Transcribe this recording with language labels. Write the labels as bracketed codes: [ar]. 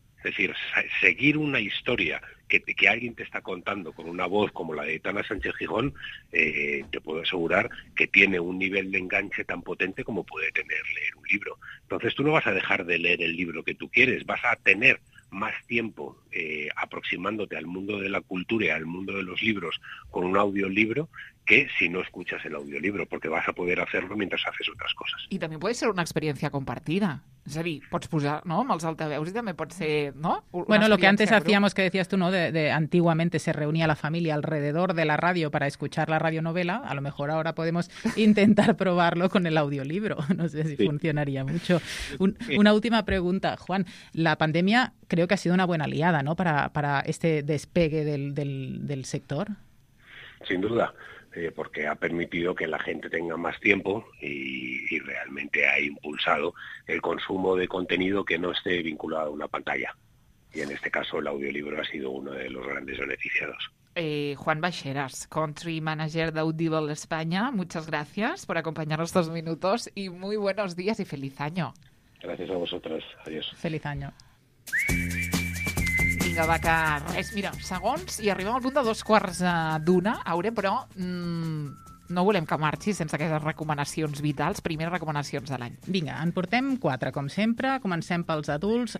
[es] Es decir, seguir una historia que alguien te está contando con una voz como la de Tana Sánchez Gijón, te puedo asegurar que tiene un nivel de enganche tan potente como puede tener leer un libro. Entonces tú no vas a dejar de leer el libro que tú quieres, vas a tener más tiempo aproximándote al mundo de la cultura y al mundo de los libros con un audiolibro que si no escuchas el audiolibro, porque vas a poder hacerlo mientras haces otras cosas. [ca] I també pot ser una experiència compartida. És a dir, pots posar, no?, amb els altaveus i també pot ser, no? [es] Bueno, lo que antes hacíamos, que decías tú, ¿no?, de antiguamente se reunía la familia alrededor de la radio para escuchar la radionovela, a lo mejor ahora podemos intentar probarlo con el audiolibro. No sé si sí funcionaría mucho. Una última pregunta, Juan. La pandemia creo que ha sido una buena aliada, ¿no?, para este despegue del sector. Sin duda. Porque ha permitido que la gente tenga más tiempo y realmente ha impulsado el consumo de contenido que no esté vinculado a una pantalla. Y en este caso el audiolibro ha sido uno de los grandes beneficiados. Juan Baixeras, Country Manager de Audible España, muchas gracias por acompañarnos estos minutos y muy buenos días y feliz año. Gracias a vosotros. Adiós. Feliz año. [ca] Vinga, va, que res, mira, segons, i arribem al punt de 2:15 d'una, Aure, però no volem que marxi sense aquestes recomanacions vitals, primeres recomanacions de l'any. Vinga, en portem 4, com sempre, comencem pels adults.